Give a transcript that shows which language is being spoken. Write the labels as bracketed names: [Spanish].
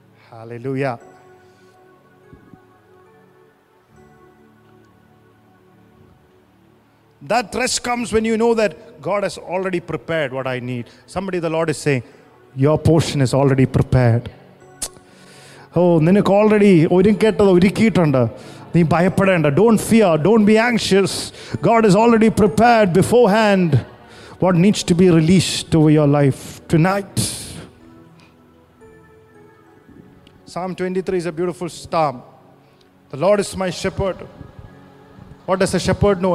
[English] Hallelujah. That rest comes when you know that God has already prepared what I need. Somebody, the Lord is saying, your portion is already prepared. [Malayalam] Oh, നിനക്ക് already ഒരുക്കേണ്ടത് ഒരുക്കിയിട്ടുണ്ട്. നീ ഭയപ്പെടേണ്ട. [English] Don't fear, don't be anxious. God has already prepared beforehand what needs to be released over your life tonight. Psalm 23 is a beautiful psalm. The Lord is my shepherd. What does a shepherd know?